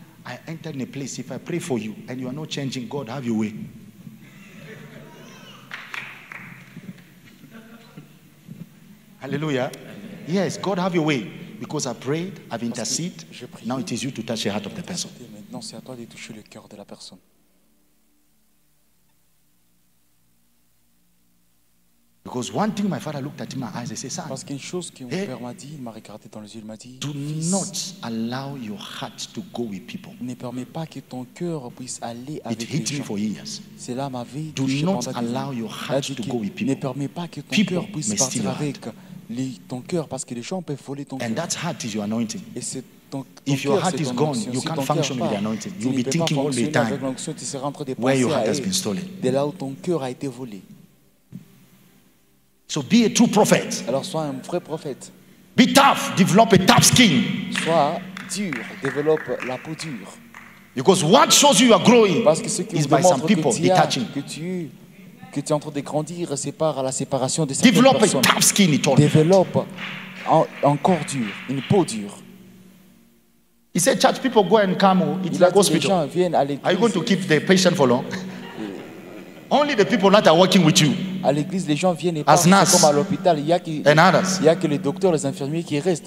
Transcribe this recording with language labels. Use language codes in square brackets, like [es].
[en] I entered in a place, if I pray for you and you are not changing, God, have your way. Hallelujah. Yes, God have your way. Because I prayed, I've interceded. Now it is you to touch the heart of the person. [fr] maintenant, c'est à toi de toucher le cœur de la personne. [en] Because one thing my father looked at in my eyes and said, son, [fr] parce qu'une chose que mon père m'a dit, il m'a regardé dans les yeux, il m'a dit, [en] do not allow your heart to go with people. [fr] Ne permets pas que ton cœur puisse aller avec les [en] gens. It hit me for years. [fr] Cela m'a vie. [en] Do not allow your heart to go with people. [fr] Ne permets pas que ton cœur puisse partir avec les, ton cœur, parce que les gens peuvent voler ton cœur. [en] And that heart is your anointing. [fr] Et c'est ton, [en] if your heart is gone, you can't function with the anointing. You'll be thinking all the time where your heart has been stolen. [fr] De là où ton cœur a été volé. [en] So be a true prophet. [fr] Alors sois un vrai prophète. [en] Be tough, develop a tough skin. [fr] Sois dur, développe la peau dure. [en] Because what shows you are growing is by some people detaching. [fr] Que tu es en train de grandir, c'est par la séparation de certaines personnes. [en] Develop a tough skin, it all. [fr] Développe un corps dur, une peau dure. [en] He said, church people go and come. It's like hospital. [fr] Gens viennent à l'église. [en] Are you going to keep the patient for long? Only the people that are working with you. [fr] À l'église, les gens viennent et partent comme à l'hôpital. Il y a que les docteurs, les infirmiers qui restent.